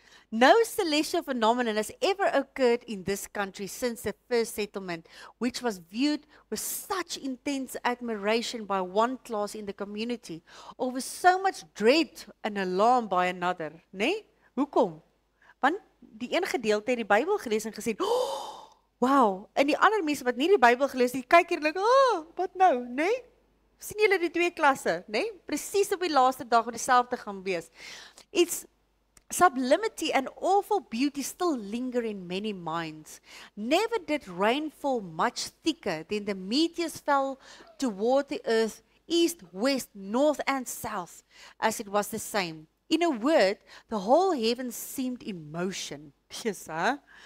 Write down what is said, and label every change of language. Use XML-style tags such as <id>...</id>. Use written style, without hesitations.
<en>No celestial phenomenon has ever occurred in this country since the first settlement, which was viewed with such intense admiration by one class in the community, or with so much dread and alarm by another.</en> <af>Nee? Hoekom? Want die een gedeelte het die Bybel gelees en gesê, oh, wow, en die ander mense wat nie die Bybel gelees, die kyk hier, like, oh, wat nou, nee? Sien julle die 2 klasse, nee? Precies op die laaste dag wat dieselfde gaan wees.</af> <en>It's sublimity and awful beauty still linger in many minds. Never did rain fall much thicker than the meteors fell toward the earth, east, west, north and south, as it was the same. In a word, the whole heaven seemed in motion. Yes, huh?</en>